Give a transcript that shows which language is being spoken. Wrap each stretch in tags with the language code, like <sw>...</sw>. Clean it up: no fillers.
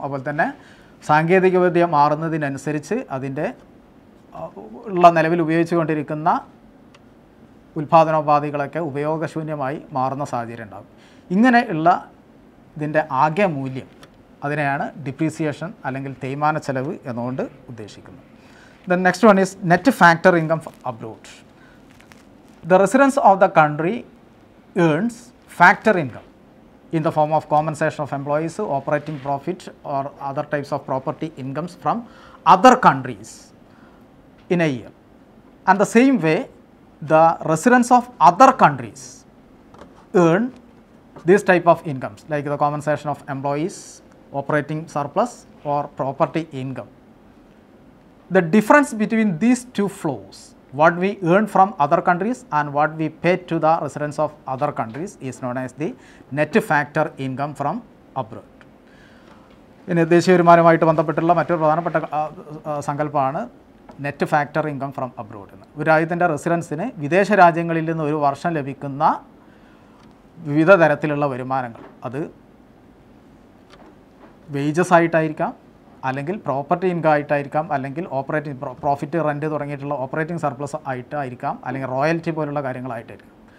<ml>അതുപോലെ തന്നെ സാങ്കേതികവിദ്യ മാറുന്നതിനനുസരിച്ച് അതിൻ്റെ ഉള്ള നിലവിൽ ഉപയോഗിച്ചു കൊണ്ടിരിക്കുന്ന ഉൽപാദനോപാധികളൊക്കെ ഉപയോഗശൂന്യമായി മാറുന്ന സാഹചര്യം ഉണ്ടാകും. ഇങ്ങനെയുള്ള ഇതിൻ്റെ ആകെ മൂല്യം, അതിനെയാണ് ഡിപ്രീസിയേഷൻ അല്ലെങ്കിൽ തേയ്മാന ചെലവ് എന്നുകൊണ്ട് ഉദ്ദേശിക്കുന്നത്.</ml> <en>Then next one is net factor income abroad. The residence of the country earns factor income in the form of compensation of employees, operating profit or other types of property incomes from other countries in a year. And the same way, the residents of other countries earn this type of incomes, like the compensation of employees, operating surplus or property income. The difference between these two flows, what we earn from other countries and what we pay to the residents of other countries, is known as the net factor income from abroad.</en> <ml>In ദേശീയ വരുമാനമായിട്ട് ബന്ധപ്പെട്ടുള്ള മറ്റൊരു പ്രധാനപ്പെട്ട സങ്കല്പമാണ് net factor income from abroad എന്ന്. ഒരു രാജ്യത്തിൻ്റെ റെസിഡൻസിന് വിദേശ രാജ്യങ്ങളിൽ നിന്ന് ഒരു വർഷം ലഭിക്കുന്ന വിവിധ തരത്തിലുള്ള വരുമാനങ്ങൾ, അത് വേജസ് ആയിട്ടായിരിക്കാം, അല്ലെങ്കിൽ പ്രോപ്പർട്ടി ഇൻകം ആയിട്ടായിരിക്കാം, അല്ലെങ്കിൽ ഓപ്പറേറ്റിംഗ് പ്രോഫിറ്റ് റെൻറ്റ് തുടങ്ങിയിട്ടുള്ള ഓപ്പറേറ്റിംഗ് സർപ്ലസ് ആയിട്ടായിരിക്കാം, അല്ലെങ്കിൽ റോയൽറ്റി പോലുള്ള കാര്യങ്ങളായിട്ടായിരിക്കാം.</ml>